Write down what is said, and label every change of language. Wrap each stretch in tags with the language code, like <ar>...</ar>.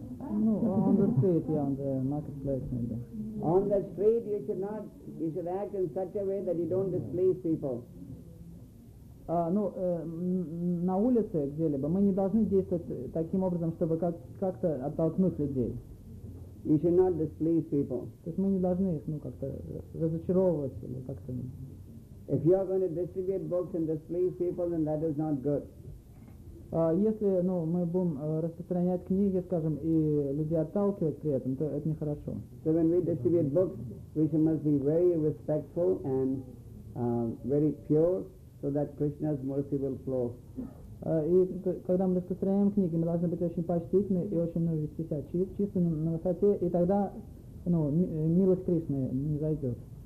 <en>Ну, on the street, yeah, on the marketplace maybe. On the street you should act in such a way that you don't displease people.</en> <ru>На улице где-либо мы не должны действовать таким образом, чтобы как-то оттолкнуть людей.</ru> <en>You should not displease people.</en> <ru>То есть мы не должны их, ну, как-то разочаровывать или как-то.</ru> <en>If you are going to distribute books and displease people, then that is not good.</en> <ru>Если, ну, мы будем распространять книги, скажем, и людей отталкивать при этом, то это нехорошо.</ru> <en>So when we distribute books, we must be very respectful and very pure, so that Krishna's mercy will flow.</en> <ru>И когда мы распространяем книги, мы должны быть очень почтительны и очень, ну, вести себя чисто на высоте, и тогда, ну, милость Кришны не зайдет.</ru>